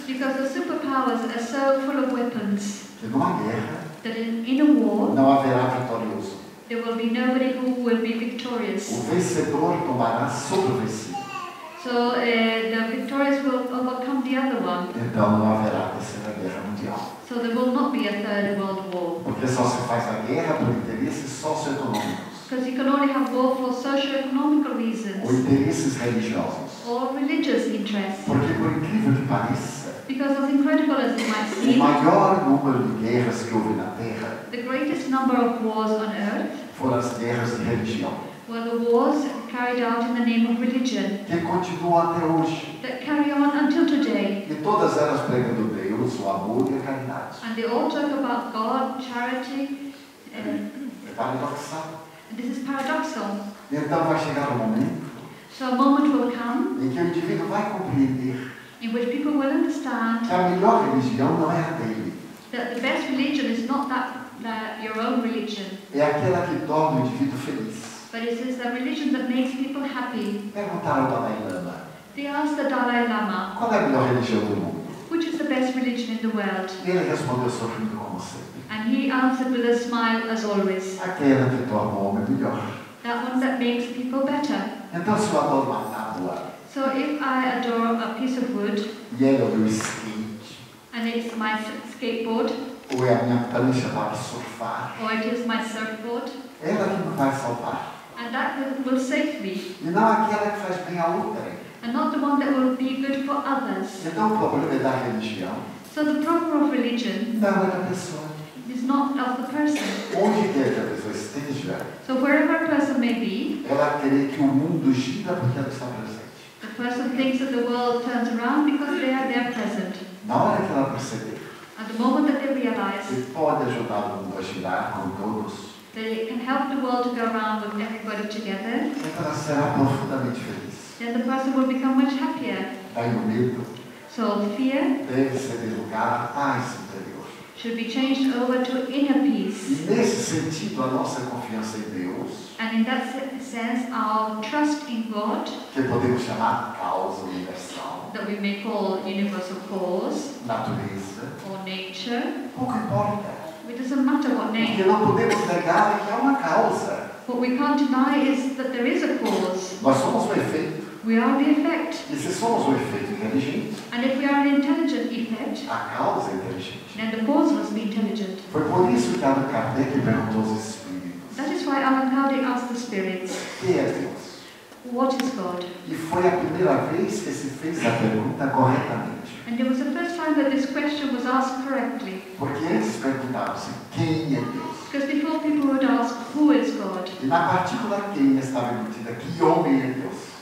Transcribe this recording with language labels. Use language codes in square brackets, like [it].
[en] Because the superpowers are so full of weapons. [pt] Que numa guerra. [en] That in a war. [pt] Não haverá vitorioso. [en] There will be nobody who will be victorious. [pt] O vencedor tomará sobrevivência. [en] So the victorious will overcome the other one. [pt] Então não haverá terceira guerra mundial. [en] So there will not be a third world war. [pt] Porque só se faz a guerra por interesses socioeconômicos. [en] Because you can only have war for socio-economic reasons. [pt] Ou interesses religiosos. [en] Or religious interests. [pt] Porque por incrível que pareça. [en] Because as incredible as it might seem. [pt] O maior número de guerras que houve na Terra. [en] The greatest number of wars on Earth. [pt] Foram as guerras de religião. [en] Were the wars carried out in the name of religion [pt] que continua até hoje. [en] That carry on until today. [pt] E todas elas pregando Deus, o amor e a caridade. [en] And they all talk about God, charity. [pt] É paradoxal. [en] And this is paradoxal. [pt] E então vai chegar o momento. [en] So a moment will come. [pt] Em que o indivíduo vai compreender. [en] In which people will understand. [pt] Que a melhor religião não é a dele. [en] That the best religion is not that your own religion. [pt] É aquela que torna o indivíduo feliz. [en] But it is the religion that makes people happy. [pt] Perguntaram ao Dalai Lama. [en] They asked the Dalai Lama. [pt] Qual é a melhor religião do mundo? [en] Which is the best religion in the world? [pt] E ele respondeu sorrindo como sempre. [en] And he answered with a smile as always. [pt] Aquela que torna o homem melhor. [en] That one that makes people better. [pt] Então se eu adoro uma tábua. [en] So if I adore a piece of wood. [pt] E ele é o meu skate. [en] And it's my skateboard. [pt] Ou é a minha prancha para surfar. [en] Or it is my surfboard. [pt] Ela que me vai salvar. [en] And that will save me. [pt] E não aquela que faz bem a outra. [en] And not the one that will be good for others. [pt] Então o problema é da religião. [en] So the problem of religion. [pt] Não é da pessoa. [en] Is not of the person. [pt] Onde quer que a pessoa esteja. [en] So wherever a person may be. [pt] Ela quer que o mundo gira porque ela está presente. [en] The person thinks that the world turns around because they are there present. [pt] Na hora que ela perceber. [en] At the moment that they realize. [pt] Que pode ajudar o mundo a girar com todos. [en] That it can help the world to go around with everybody together. [pt] Então, ela será profundamente feliz. [en] Then the person will become much happier. [pt] Daí o medo. [en] So fear. [pt] Deve ser de lugar a esse interior. [en] Should be changed over to inner peace. [pt] E nesse sentido, a nossa confiança em Deus. [en] And in that sense, our trust in God. [pt] Que podemos chamar causa universal. [en] That we may call universal cause. [pt] Natureza. [en] Or nature. [pt] Pouco importa. [en] It doesn't matter what name. [pt] Porque não podemos negar que há uma causa. [en] What we can't deny is that there is a cause. [pt] Nós somos o efeito. [en] We are the effect. [pt] E se somos o efeito inteligente. [en] And if we are an intelligent effect. [pt] A causa é inteligente. [en] Then the cause must be intelligent. [pt] Foi por isso que Allan Kardec perguntou aos espíritos. [en] That is why Allan Kardec asked the spirits. [pt] Quem é Deus? [en] What is God? [pt] E foi a primeira vez que se fez a pergunta corretamente. [en] And it was the first time that this question was asked correctly. [pt] Porque eles perguntavam-se, quem é Deus? [en] Because before people would ask, who is God? [pt] E na partícula quem estava embutida, que homem é Deus?